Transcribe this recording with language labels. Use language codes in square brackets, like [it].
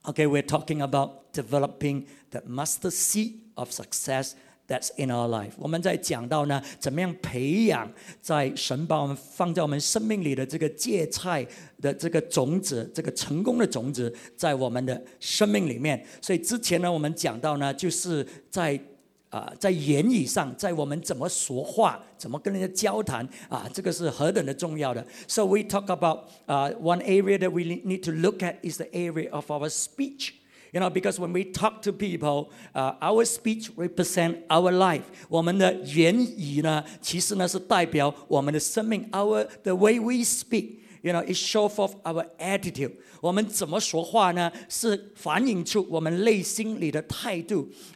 [en] Okay, we're talking about developing that mustard seed of success that's in our life. [zh] 我们在讲到呢，怎么样培养在神把我们放在我们生命里的这个芥菜的这个种子，这个成功的种子在我们的生命里面。所以之前呢，我们讲到呢，就是在在言语上，在我们怎么说话，怎么跟人家交谈啊，这个是何等的重要的。 [en] So we talk about one area that we need to look at is the area of our speech. You know, because when we talk to people, our speech represents our life. [zh] 我们的言语呢，其实呢是代表我们的生命。 [en] The way we speak, you know, it shows forth our attitude. [zh] 我们怎么说话呢？是反映出我们内心里的态度。